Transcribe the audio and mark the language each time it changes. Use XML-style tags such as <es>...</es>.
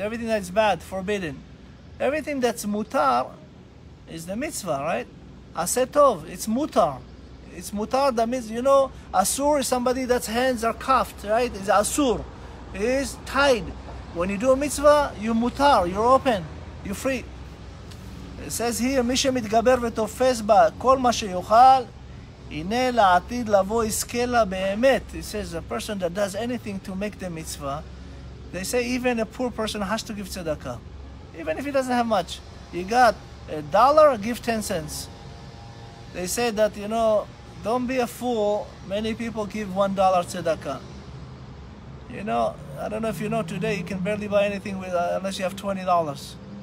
<en>Everything that's bad, forbidden. Everything that's mutar is the mitzvah, right? Aseh tov, it's mutar. It's mutar, that means, you know, asur is somebody that's hands are cuffed, right? It's asur, it's tied. When you do a mitzvah, you mutar, you're open, you're free. It says here,</en> <he>מי שמתגבר ותופס בה כל מה שיוכל, הנה לעתיד לבוא יזכה לה באמת.</he> <en>It says, a person that does anything to make the mitzvah, They say even a poor person has to give tzedakah. Even if he doesn't have much. You got a dollar, give 10 cents. They say that, you know, don't be a fool. Many people give $1 tzedakah. You know, I don't know if you know, today you can barely buy anything with unless you have $20.</en>